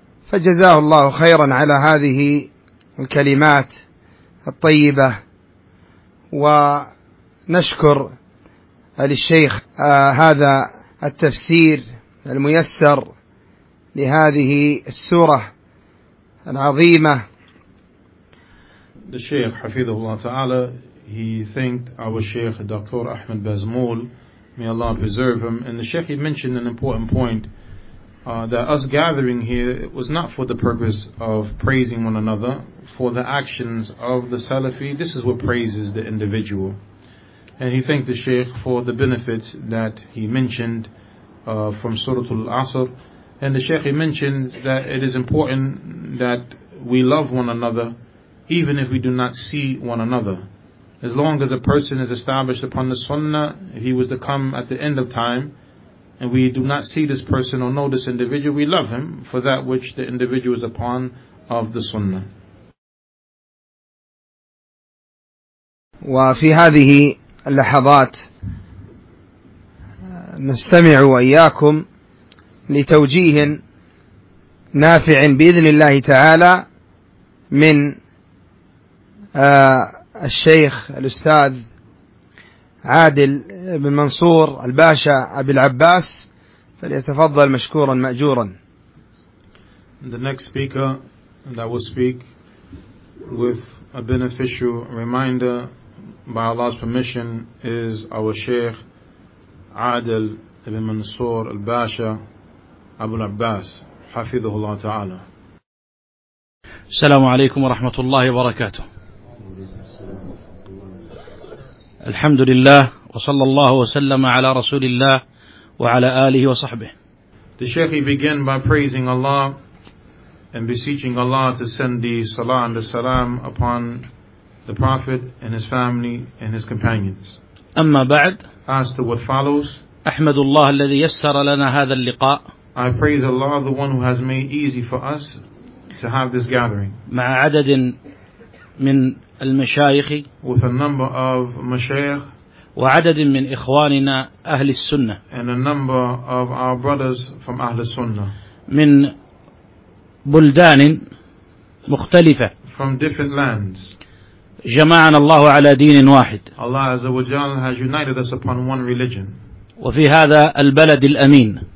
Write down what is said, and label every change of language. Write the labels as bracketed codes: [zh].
[ar] فجزاه الله خيرا على هذه الكلمات الطيبة، ونشكر للشيخ هذا التفسير الميسر لهذه السورة العظيمة. الشيخ حفظه الله تعالى [en] he thanked our Sheikh Dr. Ahmed Bazmul, may Allah preserve him, and the Sheikh he mentioned an important point. That us gathering here was not for the purpose of praising one another. For the actions of the Salafi, this is what praises the individual. And he thanked the Shaykh for the benefits that he mentioned from Surah Al-Asr. And the Shaykh he mentioned that it is important that we love one another even if we do not see one another. As long as a person is established upon the Sunnah, he was to come at the end of time, and we do not see this person or know this individual, we love him for that which the individual is upon of the sunnah. [ar] وفي هذه اللحظات نستمع وإياكم لتوجيه نافع بإذن الله تعالى من الشيخ الأستاذ عادل بن منصور الباشا أبي العباس، فليتفضل مشكورا مأجورا. [en] The next speaker that will speak with a beneficial reminder by Allah's permission is our Sheikh Adil ibn Mansur al-Basha Abu al-Abbas [ar] حفظه الله تعالى. السلام عليكم ورحمة الله وبركاته. الحمد لله وصلى الله وسلم على رسول الله وعلى آله وصحبه. [en] The Sheikh began by praising Allah and beseeching Allah to send the salah and the salam upon the Prophet and his family and his companions. [ar] أما بعد. [en] As to what follows. [ar] أحمد الله الذي يسر لنا هذا اللقاء. [en] I praise Allah, the one who has made easy for us to have this gathering. [ar] مع عدد من المشايخ. [en] With a number of مشايخ. [ar] وعدد من إخواننا أهل السنة. [en] And a number of our brothers from [ar] أهل السنة. من بلدان مختلفة. [en] From different lands. [ar] جمعنا الله على دين واحد. [en] Allah Azza wa Jalla has united us upon one religion. [ar] وفي هذا البلد الأمين.